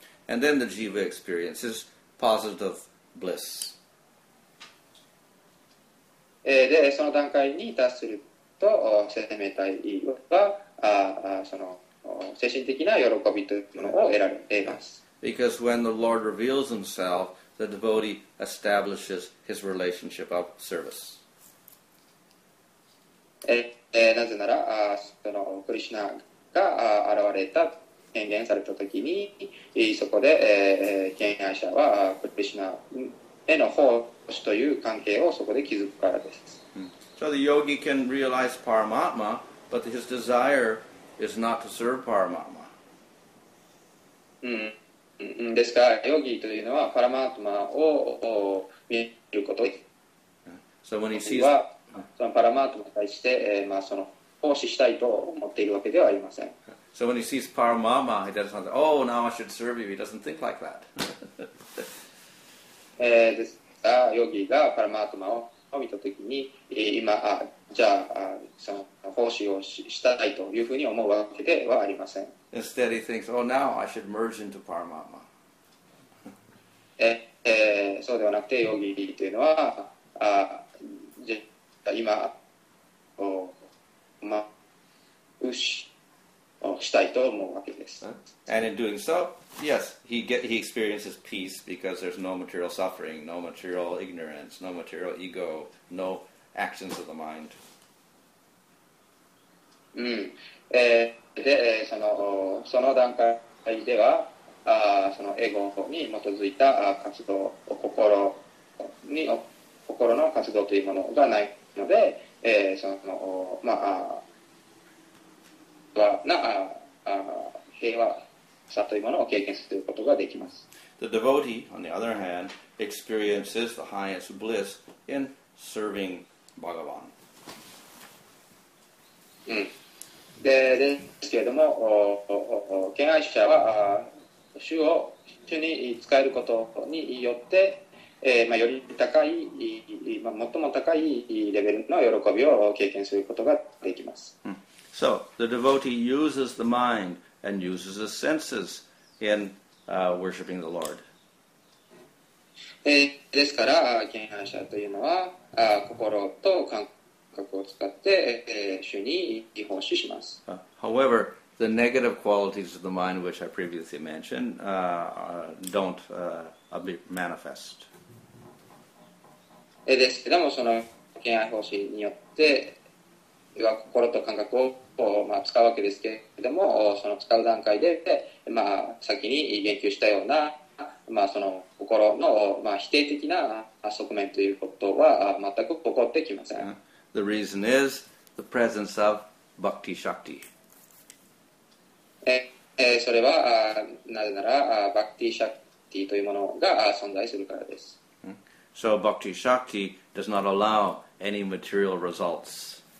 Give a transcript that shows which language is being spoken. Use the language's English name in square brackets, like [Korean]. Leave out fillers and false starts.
[English] And then the jiva experiences positive bliss. [Japanese] で、その段階に達すると、生命体は、その精神的な喜びというのを得られています。 [English] Because when the Lord reveals himself, the devotee establishes his relationship of service. [Japanese] なぜなら、そのクリシナが現れた、顕現されたときに、そこで、顕現者はクリシナへの奉仕という関係をそこで築くからです。 [English] So the yogi can realize Paramatma, but his desire is not to serve Paramatma. [Japanese] ですから、ヨギというのはパラマートマを見ることです。 [English] So when he sees [Japanese] は、そのパラマートマに対して、まあ、その奉仕したいと思っているわけではありません。 [English] So when he sees Paramatma, he doesn't think, oh, now I should serve you. He doesn't think like that. [Japanese] ですから、ヨギがパラマートマを見たときに、今、じゃあ、その奉仕をしたいというふうに思うわけではありません。 [English] Instead, he thinks, oh, now I should merge into Paramatma. [Japanese] そうではなくて、ヨギというのは、じゃあ今、まうし、したいと思うわけです。 [English] And in doing so, yes, he experiences peace because there's no material suffering, no material ignorance, no material ego, no actions of the mind. [Japanese] で、その段階では、そのエゴに基づいた活動、心の活動というものがないので、その、まあ、 [English] The devotee, on the other hand, experiences the highest bliss in serving Bhagavan. [Japanese] ですけれども、敬愛者は主に仕えることによって、まあ、より高い、まあ、最も高いレベルの喜びを経験することができます。 [English] So, the devotee uses the mind and uses the senses in worshipping the Lord. [Japanese] ですから、敬愛者というのは、心と感覚を使って、主に奉仕します。 [English] However, the negative qualities of the mind, which I previously mentioned, don't manifest. [Japanese] ですけども、その敬愛奉仕によって、心と感覚をまあ、使うわけですけれども、その使う段階で、まあ、先に言及したような、まあ、その心の、まあ、否定的な側面ということは全く起こってきません。 [English] The reason is the presence of Bhakti Shakti. [Japanese] それはなぜなら Bhakti Shakti というものが存在するからです。 [English] So Bhakti Shakti does not allow any material results.